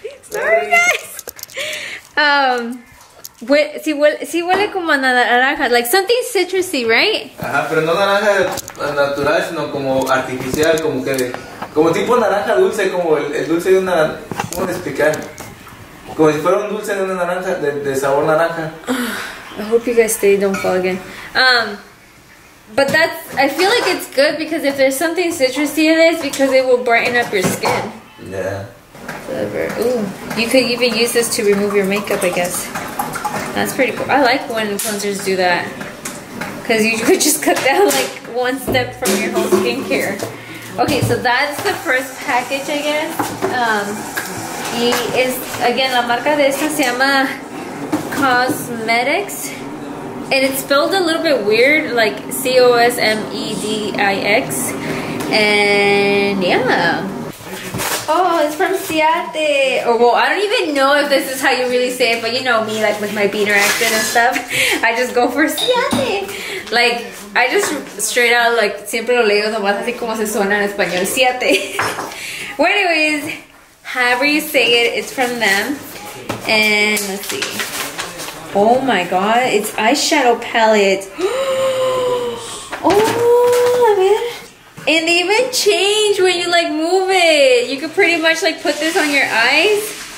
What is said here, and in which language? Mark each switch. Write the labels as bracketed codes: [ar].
[en] Sorry guys. [es] Si huele como a naranja, [en] like something citrusy, right? [es] Ajá, pero no naranja natural, sino como artificial, como que como tipo naranja dulce, como el dulce de una, ¿cómo explicar? Como si fuera un dulce de una naranja, de sabor naranja. [en] I hope you guys stay, don't fall again. But that's, I feel like it's good because if there's something citrusy in this, because it will brighten up your skin. Yeah. Ooh, you could even use this to remove your makeup, I guess. That's pretty cool. I like when cleansers do that. Because you could just cut down like one step from your whole skincare. Okay, so that's the first package, I guess. [es] Y es, [en] again, [es] la marca de esta se llama [en] Cosmetics, and it's spelled a little bit weird, like C-O-S-M-E-D-I-X, and yeah. Oh, it's from Siate. Oh, well, I don't even know if this is how you really say it, but you know me, like with my beaner accent and stuff, I just go for Siate. Like, I just straight out, like, [es] siempre lo leo nomás así como se suena en español, Siate. [en] Well, anyways, however you say it, it's from them, and let's see. Oh my God, it's eyeshadow palette. Oh, [es] a ver. [en] And they even change when you like move it. You could pretty much like put this on your eyes.